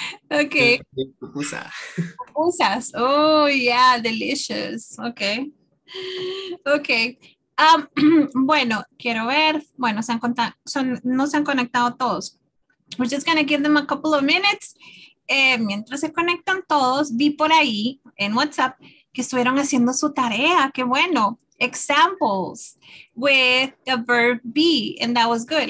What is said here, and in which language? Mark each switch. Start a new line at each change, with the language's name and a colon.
English: Okay. Pupusas. Oh, yeah, delicious. Okay. Okay.
Spanish: Bueno, quiero ver. Bueno, no se han conectado todos.
English: We're just going to give them a couple of minutes.
Spanish: Mientras se conectan todos, vi por ahí en WhatsApp que estuvieron haciendo su tarea. Qué bueno.
English: Examples with the verb be, and that was good.